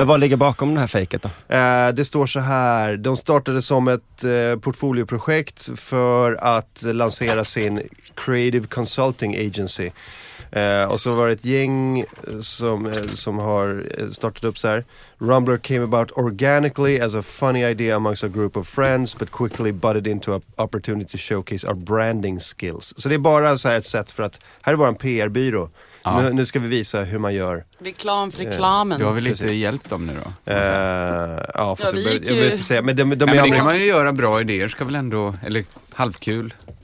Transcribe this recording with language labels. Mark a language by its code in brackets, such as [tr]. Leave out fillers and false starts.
[sv] Men vad ligger bakom det här fejket då? Det står så här, de startade som ett portfolioprojekt för att lansera sin Creative Consulting Agency. Och så var det ett gäng som har startat upp så här. [en] Rumbler came about organically as a funny idea amongst a group of friends, but quickly butted into an opportunity to showcase our branding skills. [sv] Så det är bara så här ett sätt för att, här är vår PR-byrå. Ja. Nu ska vi visa hur man gör. Reklam för reklamen. Du har väl lite hjälpt dem nu då? Ja, fast jag vill inte säga. Men det kan man ju göra bra idéer, ska väl ändå, eller halvkul.